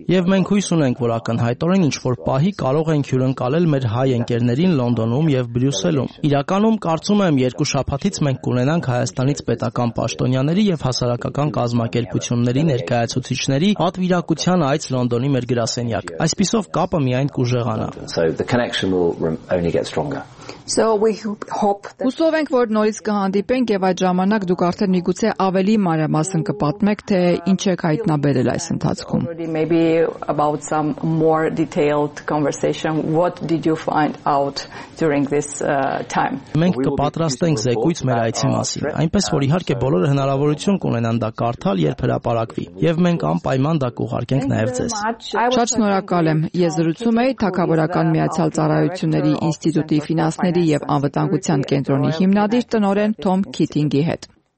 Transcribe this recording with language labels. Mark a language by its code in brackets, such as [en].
[hy] Եվ մենք հույս ունենք, որ ակնհայտորեն ինչ որ պահի կարող ենք հյուրընկալել մեր հայ ընկերներին Լոնդոնում եւ Բրյուսելում։ Իրականում կարծում եմ, երկու շաբաթից մենք կունենանք Հայաստանից պետական պաշտոնյաների եւ հասարակական կազմակերպությունների ներկայացուցիչների հատվիրակության այց Լոնդոնի մեր գրասենյակ։ Այսպիսով կապը միայն կուժեղանա։ [en] Only get stronger. So we hope that [hy] Ուսով ենք, որ նորից կհանդիպենք եւ այդ ժամանակ դուք արդեն միգուցե ավելի մանրամասն կպատմեք, թե ինչ եք հայտնաբերել այս ընթացքում. [en] Maybe about some more detailed conversation. What did you find out during this time? [hy] Մենք կպատրաստենք զեկույց մեր այցի մասին, այնպես որ իհարկե բոլորը հնարավորություն կունենան դա կարդալ երբ հրապարակվի, եւ մենք անպայման դա կուղարկենք նաեւ ձեզ։ Շատ շնորհակալ եմ։ Ես զրուցում եի Թագավորական Միացյալ Ծառայությունների Ինստիտուտի ֆինանս ների եւ անվտանգության կենտրոնի հիմնադիր տնօրեն Թոմ Քիթինգի հետ։